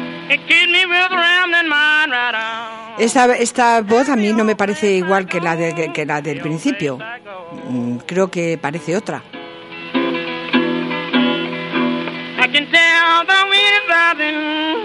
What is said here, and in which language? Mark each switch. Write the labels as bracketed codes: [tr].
[en] It keeps me with a rambling mind right on. [es] Esta voz a mí no me parece igual que la del principio. Creo que parece otra. [en] I can tell the wind is rising.